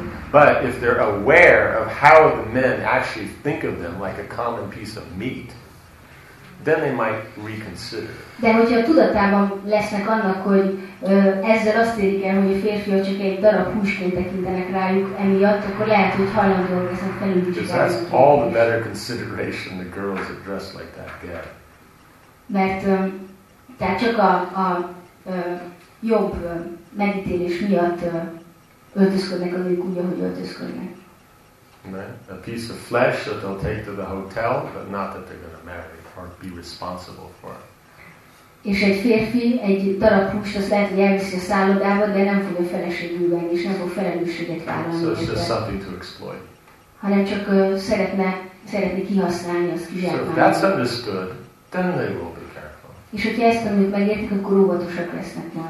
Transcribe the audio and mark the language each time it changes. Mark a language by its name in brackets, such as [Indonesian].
[English] But if they're aware of how the men actually think of them like a common piece of meat, then they might reconsider. [Hungarian] De hogyha a tudatában lesznek annak, hogy ezzel azt érik el, hogy a férfiak csak egy darab húsként tekintenek rájuk emiatt, akkor lehet, hogy hajlandóak ezen felülvizsgálni. [English] Because that's all the better consideration the girls are dressed like that get. [Hungarian] Mert tehát csak a jobb megítélés miatt öltözködnek a nők úgy, ahogy öltözködnek. [English] Right. A piece of flesh that they'll take to the hotel, but not that they're going to marry or be responsible for it. [Hungarian] És egy férfi egy darab húst az lehet, hogy elviszi a szállodába, de nem fogja feleségül venni, és nem fog felelősséget vállalni. [English] So it's just something to exploit. [Hungarian] Hanem csak szeretné kihasználni az kizsákmányát. [English] So that's understood. Then they will be careful. [Hungarian] És hogyha ezt a nők megértik, akkor óvatosak lesznek majd.